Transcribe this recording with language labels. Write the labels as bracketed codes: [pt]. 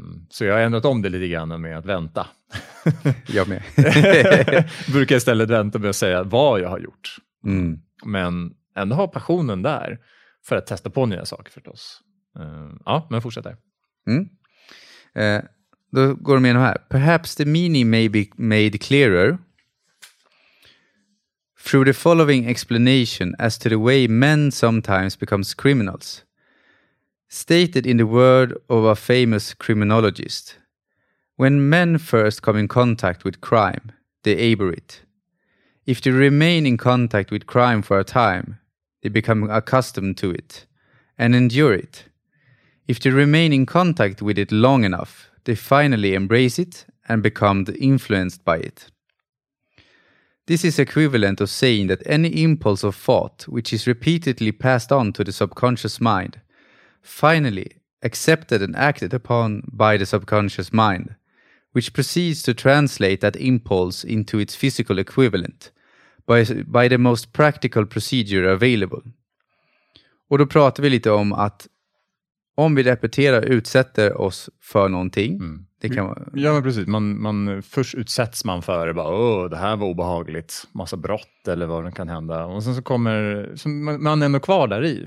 [sv] Så jag har ändrat om det lite grann med att vänta. Jag med. Brukar istället vänta med att säga vad jag har gjort. Mm. Men ändå ha passionen där för att testa på nya saker förstås. Ja, men fortsätt där. Mm. Då går de igenom här. [en] Perhaps the meaning may be made clearer through the following explanation as to the way men sometimes becomes criminals. Stated in the word of a famous criminologist, when men first come in contact with crime, they abhor it. If they remain in contact with crime for a time, they become accustomed to it and endure it. If they remain in contact with it long enough, they finally embrace it and become influenced by it. This is equivalent to saying that any impulse of thought which is repeatedly passed on to the subconscious mind finally accepted and acted upon by the subconscious mind, which proceeds to translate that impulse into its physical equivalent by the most practical procedure available. [sv] Och då pratar vi lite om att om vi repeterar och utsätter oss för någonting. Mm. Det kan vara... Ja, precis. Man först utsätts man för det, bara, åh, det här var obehagligt. Massa brott eller vad det kan hända. Och sen så kommer så man ändå kvar där i.